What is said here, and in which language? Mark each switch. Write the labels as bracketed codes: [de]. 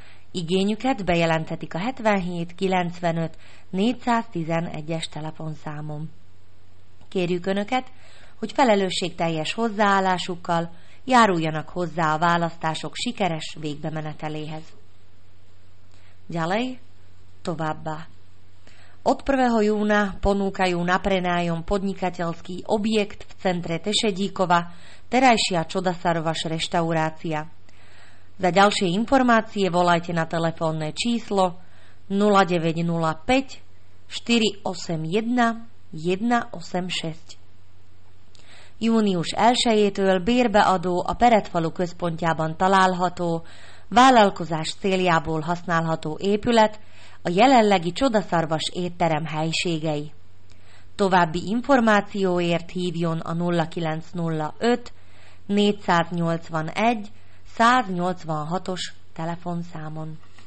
[hu] Igényüket bejelenthetik a 7795 411-es telefonszámon. Kérjük Önöket, hogy felelősségteljes hozzáállásukkal járuljanak hozzá a választások sikeres végbemeneteléhez. Gyalej, továbbá. [sk] Od 1. júna ponúkajú na prenájom podnikateľský objekt v centre Tešedíkova, terajšia Čodasarovaš reštaurácia. Za ďalšie informácie volajte na telefónne číslo 0905 481 186. [hu] Június 1-től bérbeadó a Peretfalu központjában található, vállalkozás céljából használható épület, a jelenlegi Csodaszarvas étterem helységei. További információért hívjon a 0905 481 186-os telefonszámon.